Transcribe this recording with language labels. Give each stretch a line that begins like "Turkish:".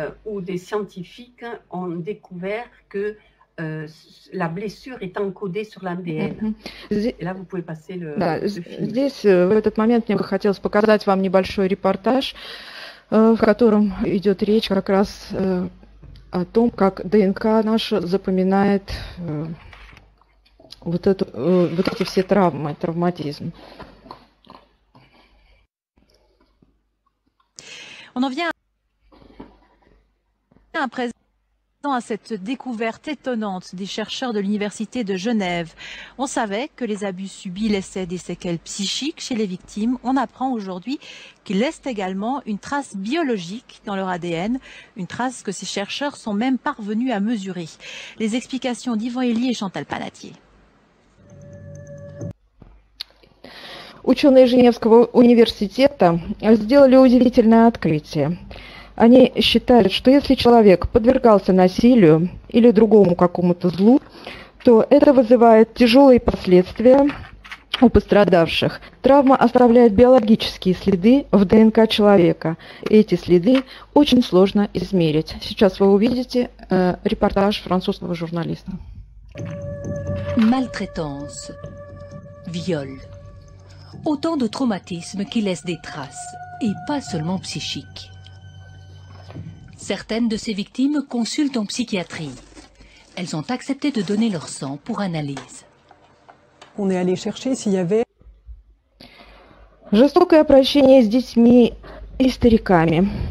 French: Où des scientifiques ont découvert que la blessure est encodée sur l'ADN. Et là, vous pouvez passer
Russian: Да,
French: le film.
Russian: здесь в этот момент мне бы хотелось показать вам небольшой репортаж, в котором идет речь как раз о том, как ДНК наша запоминает вот эти все травмы, травматизм.
French: On en vient à présent à cette découverte étonnante des chercheurs de l'Université de Genève. On savait que les abus subis laissaient des séquelles psychiques chez les victimes. On apprend aujourd'hui qu'ils laissent également une trace biologique dans leur ADN, une trace que ces chercheurs sont même parvenus à mesurer. Les explications d'Yvan Elie et Chantal Panatier.
Russian: Ученые Женевского университета сделали удивительное открытие. Они считают, что если человек подвергался насилию или другому какому-то злу, то это вызывает тяжелые последствия у пострадавших. Травма оставляет биологические следы в ДНК человека. Эти следы очень сложно измерить. Сейчас вы увидите репортаж французского журналиста.
French: Maltraitance, viol, autant de traumatismes qui laissent des traces, et pas seulement psychiques. Certaines de ces victimes consultent en psychiatrie. Elles ont accepté de donner leur sang pour analyse. On est allé chercher s'il y avait...
Russian: Жестокое обращение с детьми и стариками.